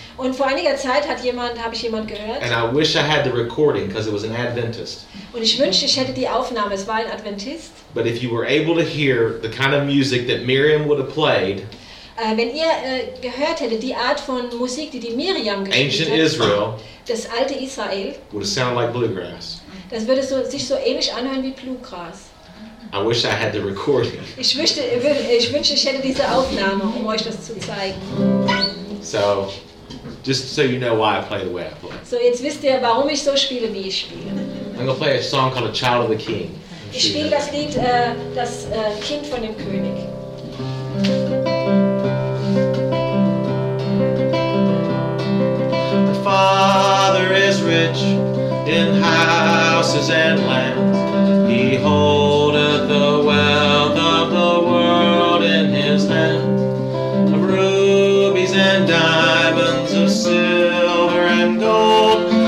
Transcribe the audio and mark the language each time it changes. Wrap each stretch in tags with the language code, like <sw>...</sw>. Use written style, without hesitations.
<de>Und vor einiger Zeit habe ich jemand gehört.</de> <en>And I wish I had the recording because it was an Adventist.</en> <de>Und ich wünschte, ich hätte die Aufnahme, es war ein Adventist.</de> <en>But if you were able to hear the kind of music that Miriam would have played.</en> <de>Wenn ihr gehört hättet die Art von Musik, die Miriam gespielt</de> <en>ancient</en> <de>hat.</de> <en>Israel.</en> <de>Das alte Israel.</de> <en>Would have sounded like bluegrass.</en> <de>Das würde sich so ähnlich anhören wie Bluegrass.</de> <en>I wish I had the recording.</en> <de>Ich wünschte, ich hätte diese Aufnahme, um euch das zu zeigen.</de> <en>So, just so you know why I play the way I play.</en> <de>So, jetzt wisst ihr, warum ich so spiele, wie ich spiele.</de> <en>I'm going to play a song called A Child of the King.</en> <de>Ich spiele das Lied, das Kind von dem König.</de> <en>My father is rich in houses and land. He holdeth the wealth of the world in his hand, of rubies and diamonds, of silver and gold.</en>